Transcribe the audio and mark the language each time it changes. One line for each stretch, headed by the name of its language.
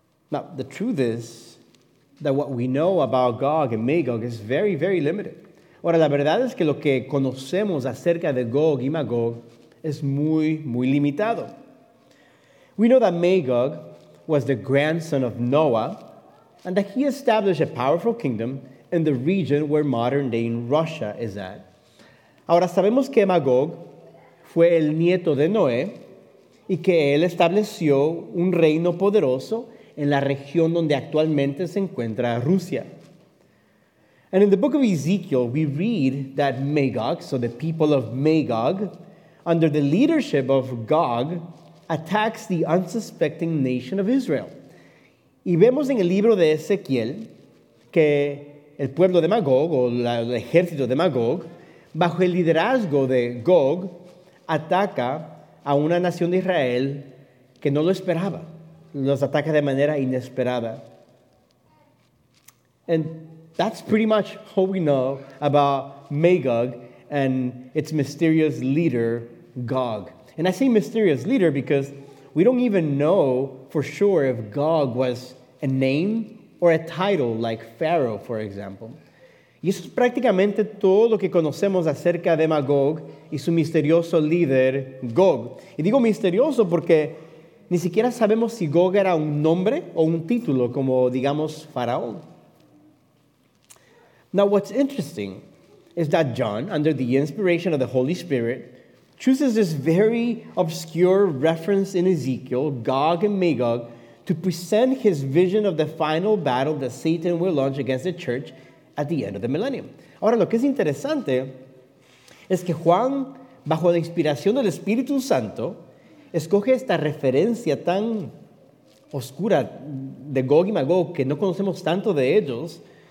English: Now, the truth is that what we know about Gog and Magog is very, very limited.
Spanish: Ahora, la verdad es que lo que conocemos acerca de Gog y Magog es muy, muy limitado.
English: We know that Magog was the grandson of Noah, and that he established a powerful kingdom in the region where modern-day Russia is at.
Spanish: Ahora, sabemos que Magog fue el nieto de Noé y que él estableció un reino poderoso en la región donde actualmente se encuentra Rusia.
English: And in the book of Ezekiel, we read that Magog, so the people of Magog, under the leadership of Gog, attacks the unsuspecting nation of Israel.
Spanish: Y vemos en el libro de Ezequiel que el pueblo de Magog, o el ejército de Magog, bajo el liderazgo de Gog, ataca a una nación de Israel que no lo esperaba. Los ataca de manera inesperada.
English: And that's pretty much all we know about Magog and its mysterious leader, Gog. And I say mysterious leader because we don't even know for sure if Gog was a name or a title like Pharaoh, for example.
Spanish: Y eso es prácticamente todo lo que conocemos acerca de Magog y su misterioso líder, Gog. Y digo misterioso porque ni siquiera sabemos si Gog era un nombre o un título, como digamos, faraón.
English: Now, what's interesting is that John, under the inspiration of the Holy Spirit, chooses this very obscure reference in Ezekiel, Gog and Magog, to present his vision of the final battle that Satan will launch against the church at the end of the millennium.
Spanish: Ahora, lo que es interesante es que Juan, bajo la inspiración del Espíritu Santo, escoge esta referencia tan oscura de Gog y Magog, que no conocemos tanto de ellos.